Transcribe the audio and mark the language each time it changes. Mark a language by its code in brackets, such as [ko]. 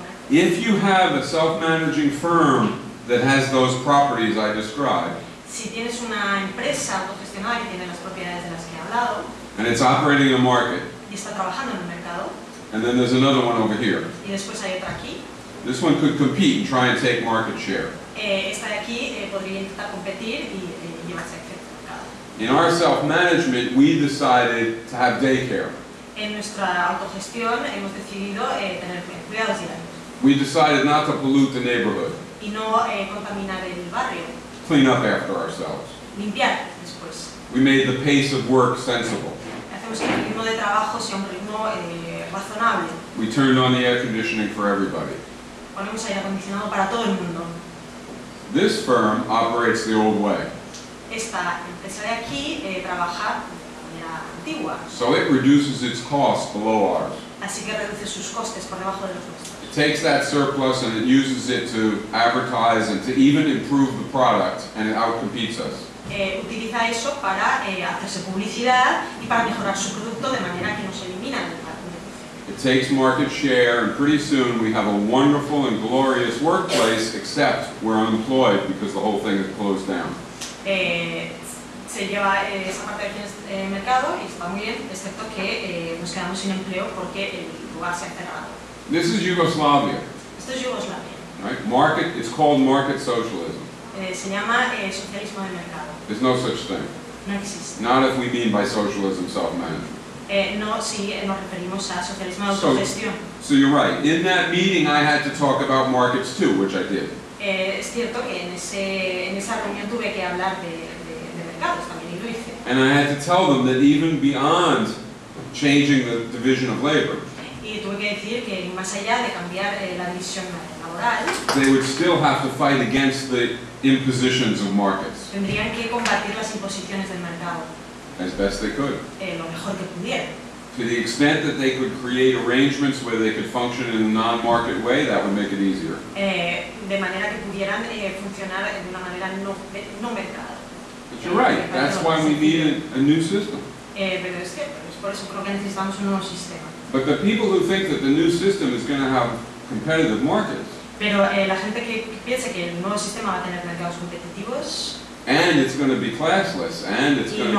[en] If you have a self-managing firm that has those properties I described, [es] si tienes una empresa autogestionada que tiene las propiedades de las que he hablado, [en] and it's operating in a market, [es] y está trabajando en el mercado, [en] and then there's another one over here, [es] y después hay otra aquí, [en] this one could compete and try and take market share. [es] Esta de aquí podría intentar competir y llevarse acceso al mercado. [en] In our self-management, we decided to have daycare. [es] En nuestra autogestión hemos decidido tener cuidados diarios. [en] We decided not to pollute the neighborhood. [es] Y no contaminar el barrio. [en] Clean up after ourselves. [es] Limpiar después. [en] We made the pace of work sensible. [es] Hacemos que el ritmo de trabajo sea un ritmo razonable. [en] We turned on the air conditioning for everybody. [es] Ponemos aire acondicionado para todo el mundo. [en] This firm operates the old way. [es] Esta empresa de aquí trabaja de la antigua. [en] So it reduces its costs below ours. [es] Así que reduce sus costes por debajo de los nuestros. [en] Takes that surplus and it uses it to advertise and to even improve the product, and it outcompetes us. [es] Utiliza eso para hacerse publicidad y para mejorar su producto de manera que nos elimina de la competencia. [en] It takes market share, and pretty soon we have a wonderful and glorious workplace, except we're unemployed because the whole thing is closed down. [es] Se lleva esa parte del mercado y está muy bien, excepto que nos quedamos sin empleo porque el lugar se ha cerrado. [en] This is Yugoslavia. [es] Esto es Yugoslavia. [en] Right? Market, it's called market socialism. [es] Se llama socialismo de mercado. [en] There's no such thing. [es] No existe. [en] Not if we mean by socialism self-management. [es] No, si nos referimos a socialismo de autogestión. [en] So you're right. In that meeting I had to talk about markets too, which I did. [es] Es cierto que en esa reunión tuve que hablar de mercados, también lo hice. [en] And I had to tell them that even beyond changing the division of labor, [es] y tuve que decir que más allá de cambiar la división laboral, [en] they would still have to fight against the impositions of markets. [es] Tendrían que combatir las imposiciones del mercado. [en] As best they could. [es] Lo mejor que pudieran. [en] To the extent that they could create arrangements where they could function in a non-market way, that would make it easier. [es] De manera que pudieran funcionar de una manera no mercado. [en] But you're right. That's why we need a new system. [es] Pero es cierto. Por eso creo que necesitamos un nuevo sistema. [en] But the people who think that the new system is going to have competitive markets, [es] pero la gente que piensa que el nuevo sistema va a tener mercados competitivos, [en] and it's going to be classless, and it's going to be liberating,